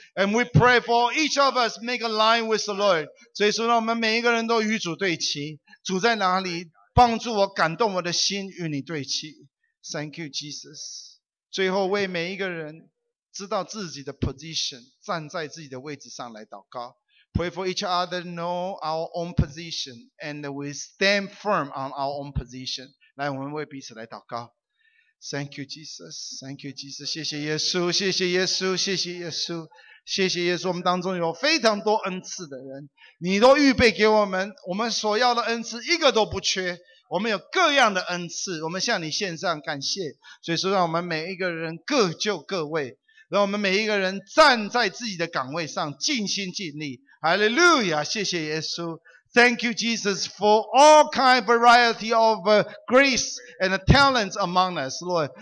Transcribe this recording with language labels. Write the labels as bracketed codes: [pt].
[en] And we pray for each of us make a line with the Lord. [zh] 所以说让我们每一个人都与主对齐。主在哪里？帮助我，感动我的心与你对齐。 [en] Thank you, Jesus. [zh] 最后为每一个人知道自己的 position， 站在自己的位置上来祷告。 [en] Pray for each other know our own position and we stand firm on our own position. [zh] 来，我们为彼此来祷告。 [en] Thank you, Jesus. Thank you, Jesus. [zh] 谢谢耶稣，谢谢耶稣，谢谢耶稣，谢谢耶稣。我们当中有非常多恩赐的人，你都预备给我们，我们所要的恩赐一个都不缺。我们有各样的恩赐，我们向你献上感谢。所以说，让我们每一个人各就各位，让我们每一个人站在自己的岗位上，尽心尽力。 Hallelujah! 谢谢耶稣。 [en] Thank you, Jesus, for all kind variety of grace and talents among us, Lord.